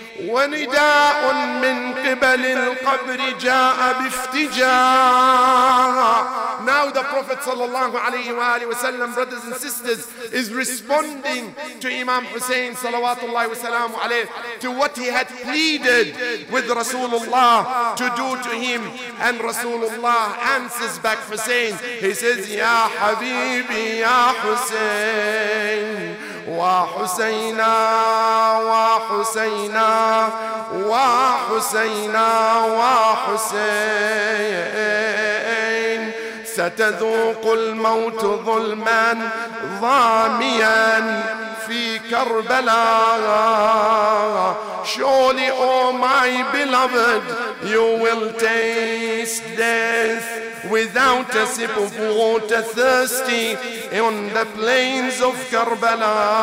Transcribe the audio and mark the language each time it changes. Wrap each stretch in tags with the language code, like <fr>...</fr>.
<ar>ونداء من قبل القبر جاء بافتجاع.</ar> <en>Now the Prophet sallallahu alayhi wa alayhi wa sallam, brothers and sisters, is responding to Imam Hussein salawatullahi wa salamu alayhi, to what he had pleaded with Rasulullah to do to him. And Rasulullah answers back Hussein. He says,</en> <ar>Ya Habibi, Ya Hussein, Wa Husayna, Wa Husayna, Wa Husayna, Wa Husayn. ستذوق الموت ظلما ضاميا في كربلا.</ar> <en>Surely, O my beloved, you will taste death without a sip of water, thirsty on the plains of Karbala.</en>